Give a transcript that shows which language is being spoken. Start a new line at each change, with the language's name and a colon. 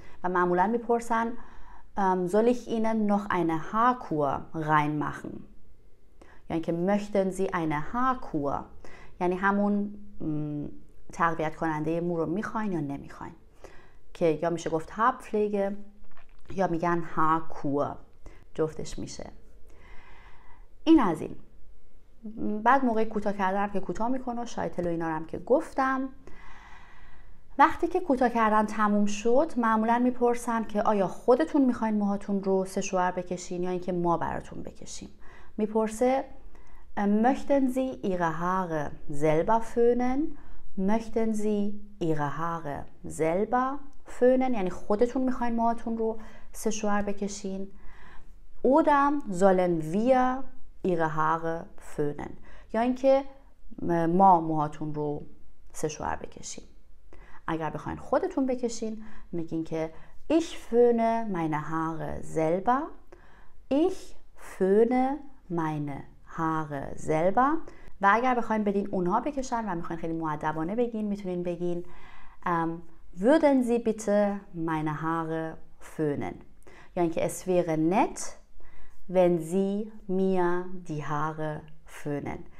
Persian: و معمولا میپرسن
German: soll ich Ihnen noch eine Haarkur reinmachen؟
Persian: یعنی که
German: möchten Sie eine Haarkur؟
Persian: یعنی همون تقویت کننده مو رو میخواین یا نمیخواین؟ که یا میشه گفت Haarpflege یا میگن Haarkur، جفتش میشه. این از این. بعد موقع کوتاه کردن که کوتاه میکنه، شایتل و اینا رو هم که گفتم. وقتی که کوتاه کردن تموم شد معمولا میپرسن که آیا خودتون میخواین موهاتون رو سشوار بکشین یا اینکه ما براتون بکشیم.
German: میپرسه möchten Sie Ihre Haare selber föhnen؟ möchten Sie Ihre Haare selber föhnen؟
Persian: یعنی خودتون میخواین موهاتون رو سشوار بکشین.
German: oder sollen wir Ihre Haare föhnen؟
Persian: یا اینکه ما موهاتون رو سشوار بکشیم. اگر بخواین خودتون بکشین میگین که
German: ich föhne meine Haare selber. ich föhne meine Haare selber.
Persian: و اگر بخواین بدین اونها بکشن و میخواین خیلی مؤدبانه بگین، میتونین بگین
German: würden Sie bitte meine Haare föhnen.
Persian: یا اینکه
German: es wäre nett wenn Sie mir die Haare föhnen.